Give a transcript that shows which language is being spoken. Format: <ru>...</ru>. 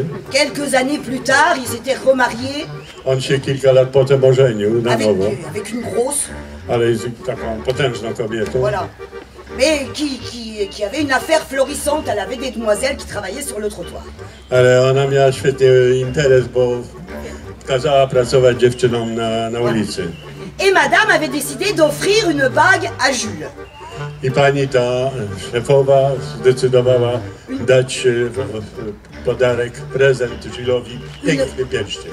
<fr>Quelques années plus tard, ils s'étaient remariés.</fr> <pl>On się kilka lat potem ożenił na nowo.</pl> <fr>Avec une grosse.</fr> <pl>Ale z taką potężną kobietą.</pl> <fr>Voilà. Mais qui avait une affaire florissante, elle avait des demoiselles qui travaillaient sur le trottoir.</fr> <pl>Ale ona miała świetny interes, bo kazała pracować dziewczynom na ulicy.</pl> <fr>Et madame avait décidé d'offrir une bague à Jules.</fr> <pl>I pani ta szefowa zdecydowała dać podarek, prezent Jules'owi, piękny pierścień.</pl>